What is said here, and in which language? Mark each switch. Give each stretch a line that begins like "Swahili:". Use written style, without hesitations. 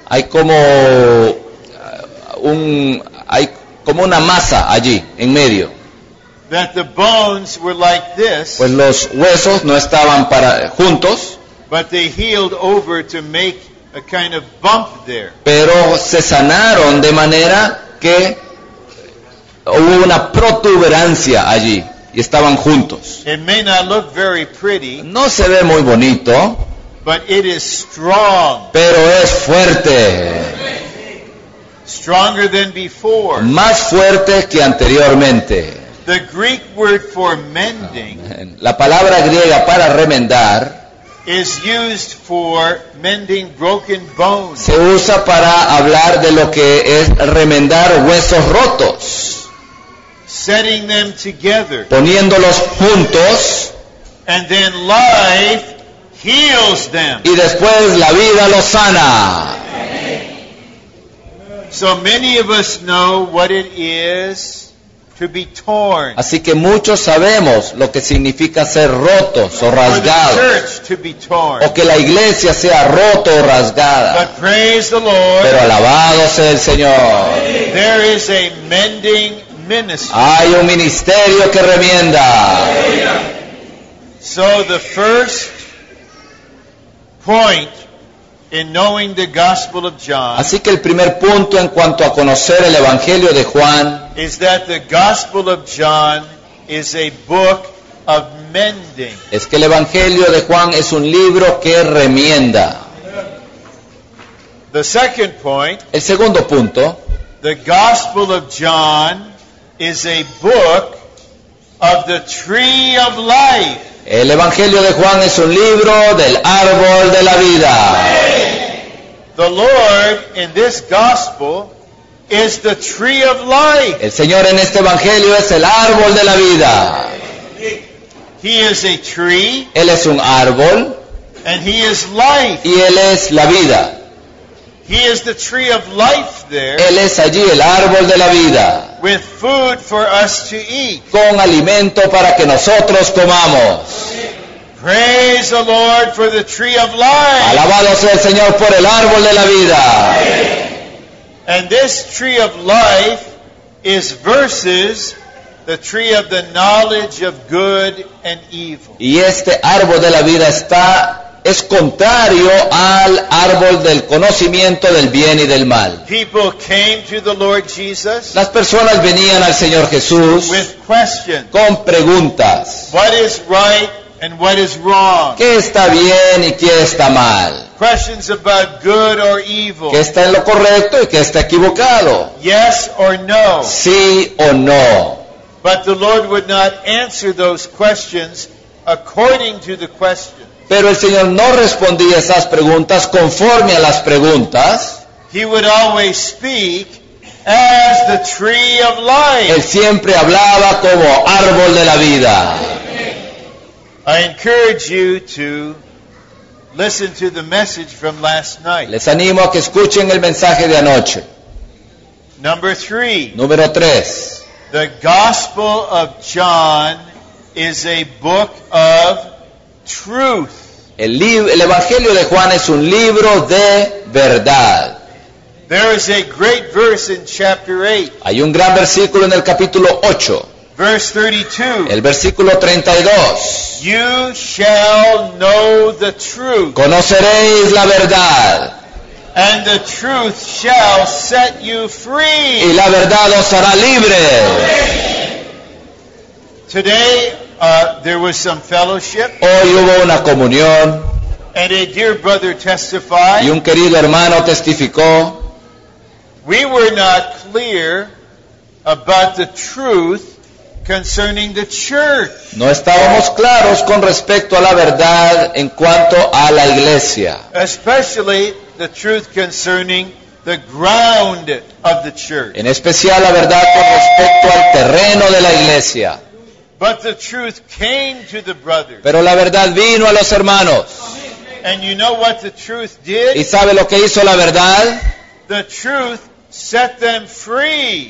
Spanish: Hay como una masa allí en medio.
English: That the bones were like this.
Spanish: Pues los huesos no estaban para juntos.
English: But they healed over to make a kind of bump there.
Spanish: Pero se sanaron de manera que hubo una protuberancia allí y estaban juntos.
English: It may not look very pretty.
Spanish: No se ve muy bonito.
English: But it is strong.
Spanish: Pero es fuerte.
English: Stronger than before.
Spanish: Más fuerte que anteriormente.
English: The Greek word for mending.
Spanish: La palabra griega para remendar
English: is used for mending broken bones.
Spanish: Se usa para hablar de lo que es remendar huesos rotos.
English: Setting them together.
Spanish: Poniéndolos juntos.
English: And then life heals them.
Spanish: Y después la vida los sana.
English: So many of us know what it is to be torn.
Spanish: Así que muchos sabemos lo que significa ser rotos o rasgados.
English: For the church to be torn.
Spanish: O que la iglesia sea roto o rasgada.
English: But praise the Lord.
Spanish: Pero alabado sea el Señor.
English: There is a mending ministry.
Spanish: Hay un ministerio que remienda.
English: So the first point in knowing the gospel of John.
Spanish: Así que el primer punto en cuanto a conocer el evangelio de Juan
English: is that the gospel of John is a book of mending.
Spanish: Es que el evangelio de Juan es un libro que remienda.
English: The second point.
Spanish: El segundo punto.
English: The gospel of John is a book of the tree of life.
Spanish: El evangelio de Juan es un libro del árbol de la vida.
English: The Lord in this gospel is the tree of life.
Spanish: El Señor en este evangelio es el árbol de la vida.
English: He is a tree.
Spanish: Él es un árbol.
English: And he is life.
Spanish: Y él es la vida.
English: He is the tree of life there.
Spanish: Él es allí el árbol de la vida.
English: With food for us to eat.
Spanish: Con alimento para que nosotros comamos.
English: Praise the Lord for the tree of life.
Spanish: Alabado sea el Señor por el árbol de la vida.
English: And this tree of life is versus the tree of the knowledge of good and evil.
Spanish: Y este árbol de la vida es contrario al árbol del conocimiento del bien y del mal.
English: People came to the Lord Jesus.
Spanish: Las personas venían al Señor Jesús
English: with questions.
Spanish: Con preguntas.
English: What is right? And what is wrong?
Spanish: ¿Qué está bien y qué está mal?
English: Questions about good or evil.
Spanish: ¿Qué está en lo correcto y qué está equivocado?
English: Yes or no.
Spanish: Sí o no.
English: But the Lord would not answer those questions according to the question.
Spanish: Pero el Señor no respondía esas preguntas conforme a las preguntas.
English: He would always speak as the tree of life.
Spanish: Él siempre hablaba como árbol de la vida.
English: I encourage you to Listen to the message from last night.
Spanish: Les animo a que escuchen el mensaje de anoche.
English: Number three.
Spanish: Número tres.
English: The Gospel of John is a book of truth.
Spanish: El Evangelio de Juan es un libro de verdad.
English: There is a great verse in chapter 8.
Spanish: Hay un gran versículo en el capítulo 8.
English: Verse 32.
Spanish: El versículo 32.
English: You shall know the truth.
Spanish: Conoceréis la verdad.
English: And the truth shall set you free.
Spanish: Y la verdad os hará libre.
English: Today, there was some fellowship.
Spanish: Hoy hubo una comunión.
English: And a dear brother testified.
Spanish: Y un querido hermano testificó.
English: We were not clear about the truth concerning the church.
Spanish: No estábamos claros con respecto a la verdad en cuanto a la iglesia.
English: Especially the truth concerning the ground of the church.
Spanish: En especial la verdad con respecto al terreno de la iglesia.
English: But the truth came to the brothers.
Spanish: Pero la verdad vino a los hermanos.
English: And you know what the truth did?
Spanish: ¿Y sabe lo que hizo la verdad?
English: The truth set them free.